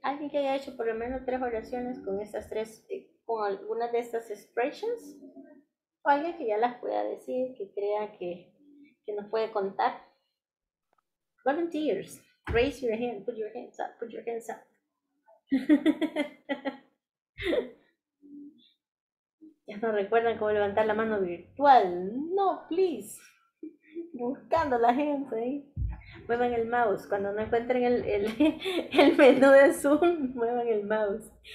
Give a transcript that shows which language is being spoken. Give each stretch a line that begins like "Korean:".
Spanish: ¿Alguien que haya hecho por lo menos tres oraciones con estas tres, con alguna de estas expressions? ¿O alguien que ya las pueda decir, que crea que nos puede contar?
English: Volunteers, raise your hand, put your hands up, put your hands up.
Spanish: Ya no recuerdan cómo levantar la mano virtual. No,
English: please.
Spanish: Buscando la gente. Muevan el mouse. Cuando no encuentren el menú de Zoom, muevan el mouse.